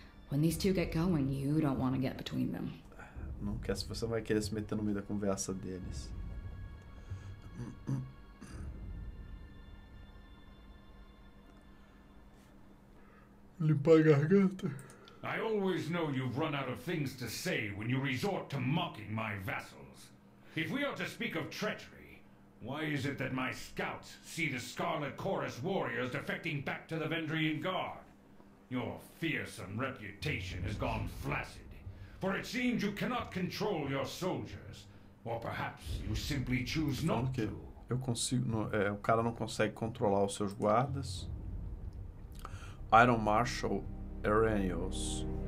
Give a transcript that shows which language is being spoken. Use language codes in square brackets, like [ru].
[en] When these two get going, you don't want to get between them. [pt] Não quer se você vai querer se meter no meio da conversa deles. Limpar a garganta. [en] I always know you've run out of things to say when you resort to mocking my vassals. If we are to speak of treachery, why is it that my scouts see the Scarlet Chorus warriors defecting back to the Vendrian Guard? Your fearsome reputation has gone flaccid, for it seems you cannot control your soldiers, or perhaps you simply choose not to. [pt] Eu consigo, não, o cara não consegue controlar os seus guardas. [en] Iron Marshal Arrhenius.